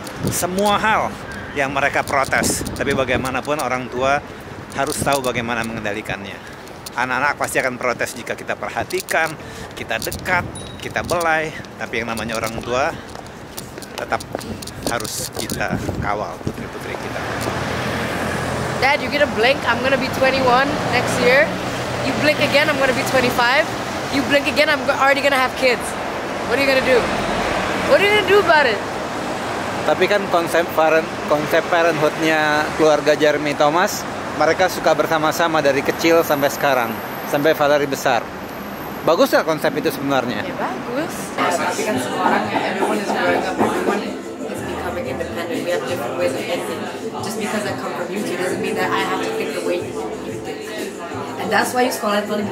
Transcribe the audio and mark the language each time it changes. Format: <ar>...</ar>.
<id>Semua hal yang mereka protes, tapi bagaimanapun orang tua harus tahu bagaimana mengendalikannya. Anak-anak pasti akan protes jika kita perhatikan, kita dekat, kita belai, tapi yang namanya orang tua tetap harus kita kawal putri-putri kita.</id> <en>Dad, you get a blink, I'm gonna be 21 next year. You blink again, I'm gonna be 25. You blink again, I'm already gonna have kids. What are you gonna do? What are you gonna do about it?</en> <id>Tapi kan konsep parenthood-nya keluarga Jeremy Thomas, mereka suka bersama-sama dari kecil sampai sekarang, sampai Valerie besar. Bagus gak konsep itu sebenarnya? Ya, bagus. Tapi kan sekarang</id> <en>everyone is growing up. Just because I come from you, doesn't mean that I have to think the way you think. And that's why you</en> <id>sekolah itu lebih</id>